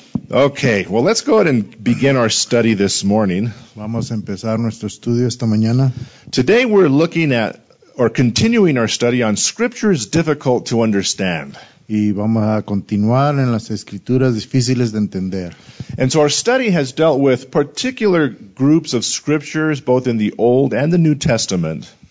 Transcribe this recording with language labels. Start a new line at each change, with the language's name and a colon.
English: Okay, well, let's go ahead and begin our study this morning.
Spanish: Vamos a empezar nuestro estudio esta mañana.
English: Today we're looking at, or continuing our study on, scriptures difficult to understand.
Spanish: Y vamos a continuar en las escrituras difíciles de entender.
English: And so our study has dealt with particular groups of scriptures, both in the Old and the New Testament.